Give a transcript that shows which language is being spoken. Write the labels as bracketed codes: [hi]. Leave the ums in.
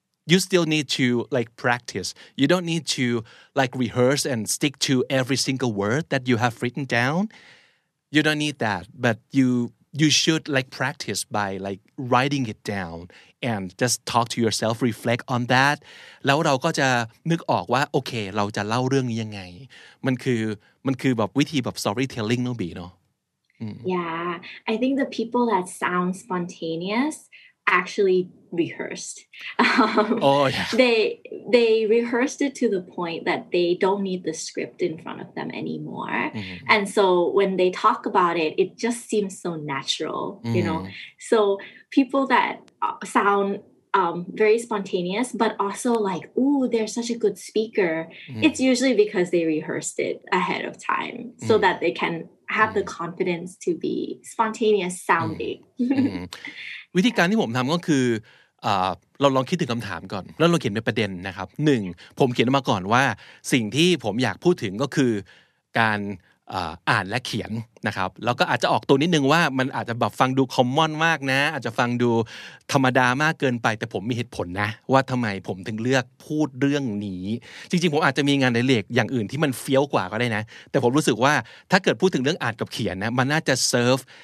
[en] you still need to like practice you don't need to like rehearse and stick to every single word that you have written down you don't need that but you you should like practice by like writing it down and just talk to yourself reflect on that [th] แล้วเราก็จะนึกออกว่า โอเค เราจะเล่าเรื่องนี้ยังไง มันคือมันคือแบบวิธีแบบ storytelling เนอะบีเนาะ Yeah. [en] I think the people that sound spontaneous actually rehearsed. Um, โอ้ย They they rehearsed it to the point that they don't need the script in front of them anymore. And so when they talk about it, it just seems so natural, you know. So people that uh, sound um, very spontaneous, but also like, ooh, they're such a good speaker. It's usually because they rehearsed it ahead of time so Mm. that they can have the Mm. confidence to be spontaneous sounding. [th] อืมวิธีการที่ผมทำก็คืออ่าเราลองคิดถึงคำถามก่อน แล้วเราเขียนเป็นประเด็นนะครับหนึ่งผมเขียนออกมาก่อนว่า สิ่งที่ผมอยากพูดถึงก็คือการอ่าอ่านและเขียนนะครับแล้วก็อาจจะออกตัวนิดนึงว่ามันอาจจะแบบฟังดูคอมมอนมากนะ อาจจะฟังดูธรรมดามากเกินไป แต่ผมมีเหตุผลนะ ว่าทำไมผมถึงเลือกพูดเรื่องนี้ จริงๆ ผมอาจจะมีงานในเลกอย่างอื่นที่มันเฟี้ยวกว่าก็ได้นะ แต่ผมรู้สึกว่าถ้าเกิดพูดถึงเรื่องอ่านกับเขียนนะมันน่าจะเซิร์ฟ